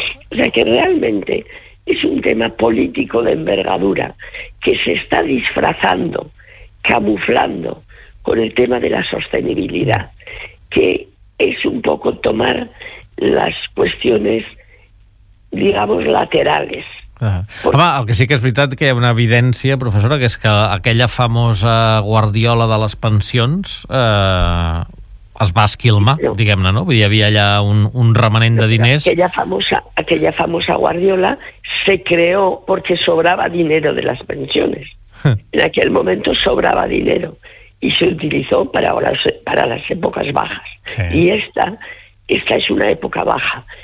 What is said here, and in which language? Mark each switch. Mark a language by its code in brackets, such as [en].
[es] O sea que realmente es un tema político de envergadura que se está disfrazando, camuflando, con el tema de la sostenibilidad, que es un poco tomar las cuestiones, digamos, laterales. [ca] Home, el que sí que és veritat que hi ha una evidència, professora, que és que aquella famosa guardiola de les pensions es va esquilmar, no, diguem-ne, no? Vull dir, hi havia allà un remanent de diners. [es] Aquella famosa guardiola se creó porque sobraba dinero de las pensiones. En aquel momento sobraba dinero. Y se utilizó para las épocas bajas. Sí. Y esta es una época baja.